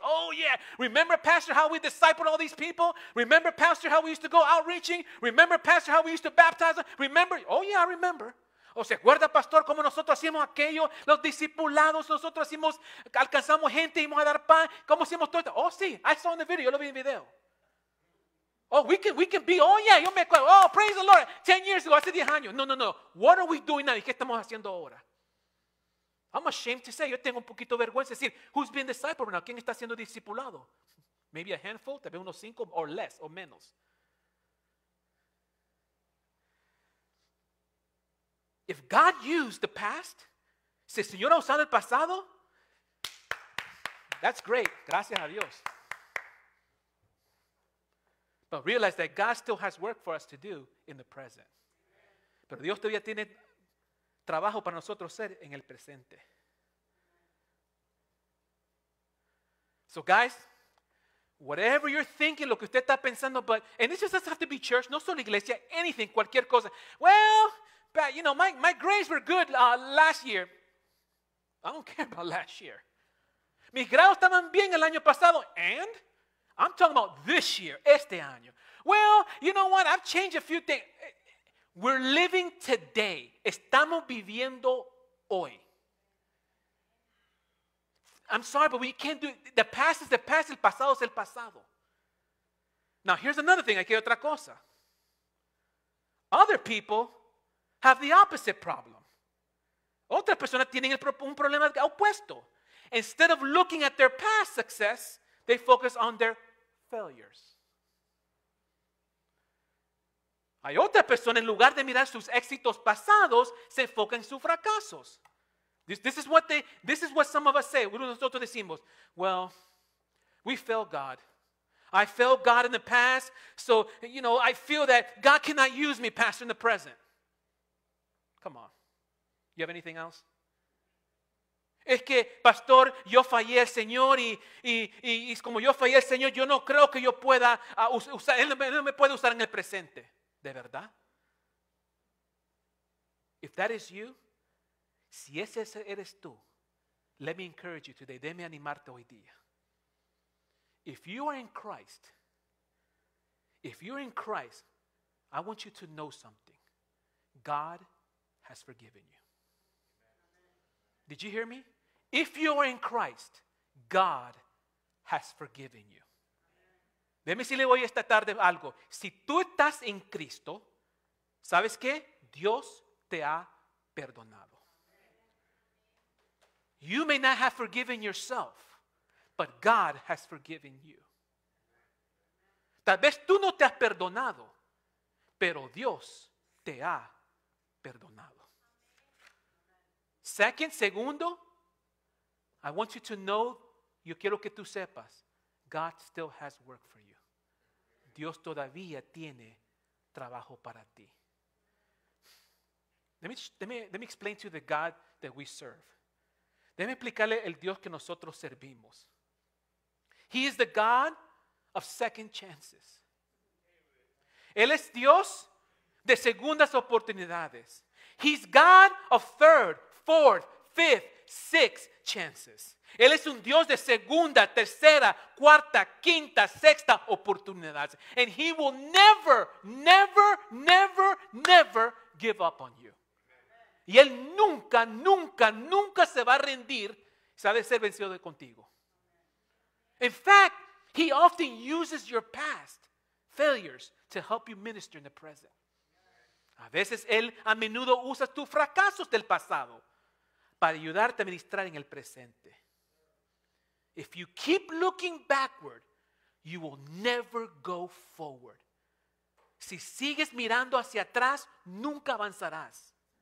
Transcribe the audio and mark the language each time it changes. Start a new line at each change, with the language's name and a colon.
English: Oh yeah, remember Pastor how we discipled all these people? Remember Pastor how we used to go outreaching? Remember Pastor how we used to baptize them? Remember? Oh yeah, I remember.
Spanish: O sea, ¿recuerda Pastor cómo nosotros hacíamos aquello? Los discipulados, nosotros hacíamos, alcanzamos gente, íbamos a dar pan. ¿Cómo hacíamos todo esto? Oh sí,
English: I saw in the video,
Spanish: yo lo vi en video.
English: Oh, we can be, oh yeah,
Spanish: yo me acuerdo.
English: Oh, praise the Lord, 10 years ago,
Spanish: hace 10 años.
English: No. What are we doing now?
Spanish: ¿Y qué estamos haciendo ahora?
English: I'm ashamed to say,
Spanish: yo tengo un poquito de vergüenza de decir,
English: who's been discipled now?
Spanish: ¿Quién está siendo discipulado?
English: Maybe a handful,
Spanish: tal vez unos 5
English: or less,
Spanish: o menos.
English: If God used the past,
Spanish: si el Señor ha usado el pasado,
English: that's great.
Spanish: Gracias a Dios.
English: But realize that God still has work for us to do in the present.
Spanish: Pero Dios todavía tiene trabajo para nosotros hacer en el presente.
English: So guys, whatever you're thinking,
Spanish: lo que usted está pensando,
English: but, and this just doesn't have to be church,
Spanish: no solo iglesia,
English: anything,
Spanish: cualquier cosa.
English: Well, but, you know, my grades were good last year. I don't care about last year.
Spanish: Mis grados estaban bien el año pasado,
English: and I'm talking about this year,
Spanish: este año.
English: Well, you know what? I've changed a few things. We're living today.
Spanish: Estamos viviendo hoy.
English: I'm sorry, but we can't do it. The past is the past.
Spanish: El pasado es el pasado.
English: Now, here's another thing.
Spanish: Aquí hay otra cosa.
English: Other people have the opposite problem.
Spanish: Otra persona tiene un problema opuesto.
English: Instead of looking at their past success, they focus on their failures.
Spanish: Hay otra persona, en lugar de mirar sus éxitos pasados, se enfoca en sus fracasos.
English: This is what some of us say.
Spanish: Nosotros decimos,
English: well, we failed God. I failed God in the past, so, you know, I feel that God cannot use me, Pastor, in the present. Come on. You have anything else?
Spanish: Es que, Pastor, yo fallé al Señor y como yo fallé al Señor, yo no creo que yo pueda usar, Él no me puede usar en el presente. ¿De verdad?
English: If that is you,
Spanish: si ese eres tú,
English: let me encourage you today.
Spanish: Déjame animarte hoy día.
English: If you are in Christ, if you're in Christ, I want you to know something. God has forgiven you. Did you hear me? If you are in Christ, God has forgiven you.
Spanish: Déjame decirle hoy esta tarde algo. Si tú estás en Cristo, ¿sabes qué? Dios te ha perdonado.
English: You may not have forgiven yourself, but God has forgiven you.
Spanish: Tal vez tú no te has perdonado, pero Dios te ha perdonado. Segundo,
English: I want you to know,
Spanish: yo quiero que tú sepas,
English: God still has work for you.
Spanish: Dios todavía tiene trabajo para ti.
English: Let me explain to you the God that we serve.
Spanish: Déjame explicarle el Dios que nosotros servimos.
English: He is the God of second chances.
Spanish: Él es Dios de segundas oportunidades.
English: He's God of third, fourth, fifth, sixth chances.
Spanish: Él es un Dios de segunda, tercera, cuarta, quinta, sexta oportunidades.
English: And he will never, never, never, never give up on you.
Spanish: Y él nunca, nunca, nunca se va a rendir, se va a ser vencido de contigo.
English: In fact, he often uses your past failures to help you minister in the present.
Spanish: A veces él a menudo usa tus fracasos del pasado para ayudarte a ministrar en el presente.
English: If you keep looking backward, you will never go forward.
Spanish: Si sigues mirando hacia atrás, nunca avanzarás.